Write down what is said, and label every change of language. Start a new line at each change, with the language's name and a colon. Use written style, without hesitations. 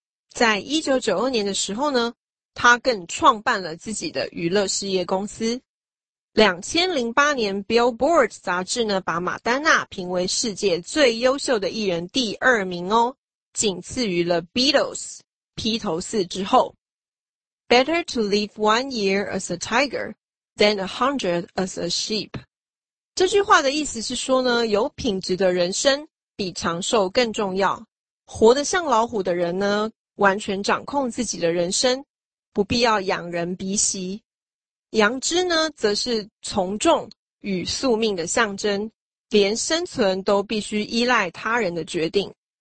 Chinese: 在1992年的时候呢，他更创办了自己的娱乐事业公司。 2008年 Billboard 杂志呢，把马丹娜评为世界最优秀的艺人第二名哦，仅次于了 Beatles, 披头士之后。
English: Better to live 1 year as a tiger than 100 as a sheep。
Chinese: 这句话的意思是说呢，有品质的人生比长寿更重要。活得像老虎的人呢，完全掌控自己的人生，不必要仰人鼻息。羊只呢，则是从众与宿命的象征，连生存都必须依赖他人的决定。